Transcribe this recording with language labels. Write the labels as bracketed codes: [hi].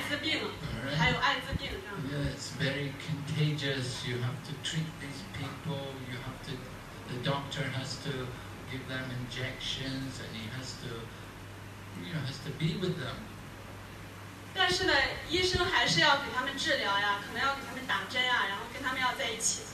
[zh] 然后呢，可能就是各种各样患各种各样疾病的病人，有些病特别可怕，比如说像癌症呀这样子的，艾滋病，还有艾滋病这样。 [en] Yeah, it's very contagious. You have to treat these people. You have to. The doctor has to give them injections, and he has to, you know, has to be with them. [zh] 但是呢，医生还是要给他们治疗呀，可能要给他们打针呀，然后跟他们要在一起。